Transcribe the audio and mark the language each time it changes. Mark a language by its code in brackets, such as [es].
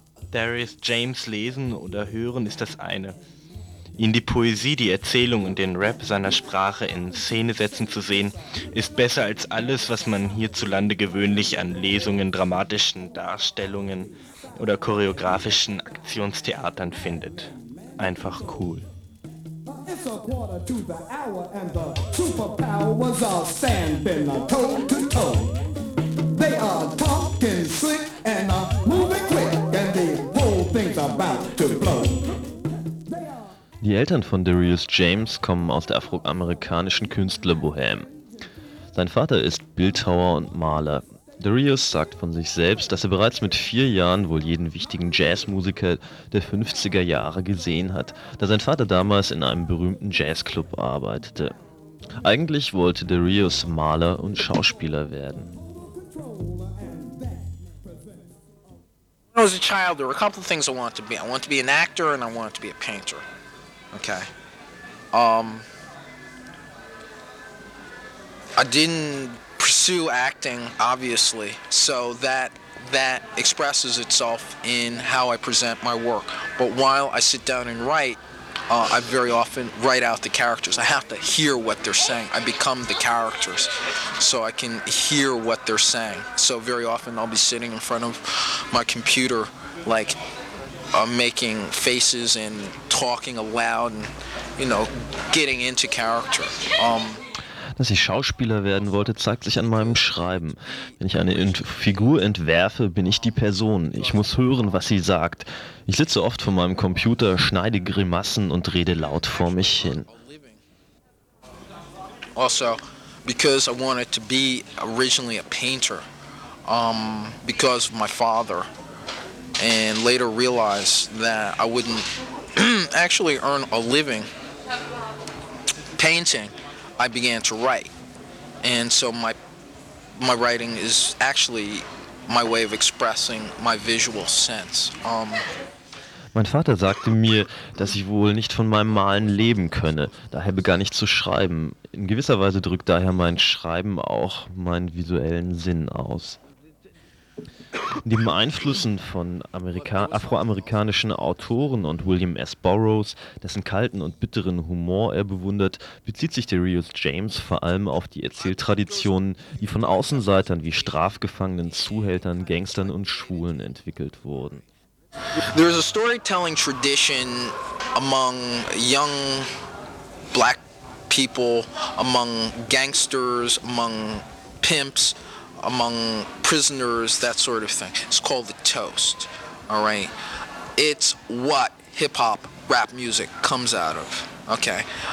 [de] Darius James lesen oder hören ist das eine. Ihn die Poesie, die Erzählung und den Rap seiner Sprache in Szene setzen zu sehen, ist besser als alles, was man hierzulande gewöhnlich an Lesungen, dramatischen Darstellungen oder choreografischen Aktionstheatern findet. Einfach cool. [en] It's a quarter to the hour and the superpowers are standing toe to toe. They are talking slick and moving quick and the whole thing's about to blow. [de] Die Eltern von Darius James kommen aus der afroamerikanischen Künstlerbohème. Sein Vater ist Bildhauer und Maler. Darius sagt von sich selbst, dass er bereits mit 4 Jahren wohl jeden wichtigen Jazzmusiker der 50er Jahre gesehen hat, da sein Vater damals in einem berühmten Jazzclub arbeitete. Eigentlich wollte Darius Maler und Schauspieler werden. [en] When I was a child, there were a couple of things I wanted to be. I wanted to be an actor and I wanted to be a painter. Okay. I didn't pursue acting, obviously, so that expresses itself in how I present my work. But while I sit down and write, I very often write out the characters. I have to hear what they're saying. I become the characters so I can hear what they're saying. So very often I'll be sitting in front of my computer, like, making faces and talking aloud and, you know, getting into character. [de] Dass ich Schauspieler werden wollte, zeigt sich an meinem Schreiben. Wenn ich eine Figur entwerfe, bin ich die Person. Ich muss hören, was sie sagt. Ich sitze oft vor meinem Computer, schneide Grimassen und rede laut vor mich hin. [en] Also, because I wanted to be originally a painter, because of my father, and later realized that I wouldn't actually earn a living painting. I began to write, and so my writing is actually my way of expressing my visual sense. [de] Mein Vater sagte mir, dass ich wohl nicht von meinem Malen leben könne. Daher begann ich zu schreiben. In gewisser Weise drückt daher mein Schreiben auch meinen visuellen Sinn aus. Neben Einflüssen von afroamerikanischen Autoren und William S. Burroughs, dessen kalten und bitteren Humor er bewundert, bezieht sich Darius James vor allem auf die Erzähltraditionen, die von Außenseitern wie Strafgefangenen, Zuhältern, Gangstern und Schwulen entwickelt wurden. [en] There is a storytelling tradition among young black people, among gangsters, among pimps, among prisoners, that sort of thing. It's called the toast, all right? It's what hip-hop rap music comes out of, okay?